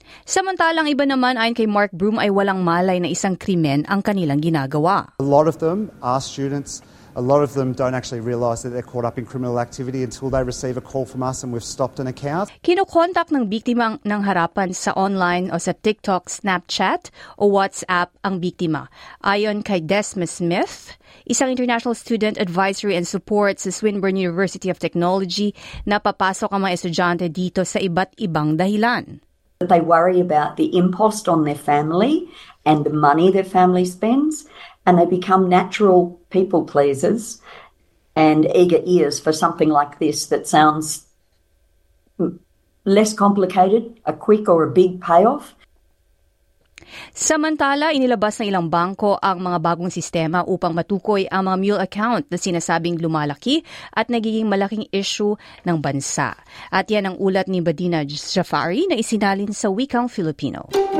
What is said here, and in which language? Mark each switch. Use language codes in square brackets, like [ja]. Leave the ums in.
[tl] Samantalang iba naman ayon kay Mark Broom ay walang malay na isang krimen ang kanilang ginagawa. [en] A lot of them are students. A lot of them don't actually realize that they're caught up in criminal activity until they receive a call from us and we've stopped an account. [tl] Kinukontak ng biktima ng harapan sa online o sa TikTok, Snapchat o WhatsApp ang biktima. Ayon kay Desma Smith, isang international student advisory and support sa Swinburne University of Technology, napapasok ang mga estudyante dito sa iba't ibang dahilan. [en] they worry about the impost on their family and the money their family spends and they become natural people pleasers and eager ears for something like this that sounds less complicated a quick or a big payoff [tl] Samantala, inilabas ng ilang bangko ang mga bagong sistema upang matukoy ang mga mule account na sinasabing lumalaki at nagiging malaking issue ng bansa. At yan ang ulat ni Badina Jafari na isinalin sa Wikang Filipino.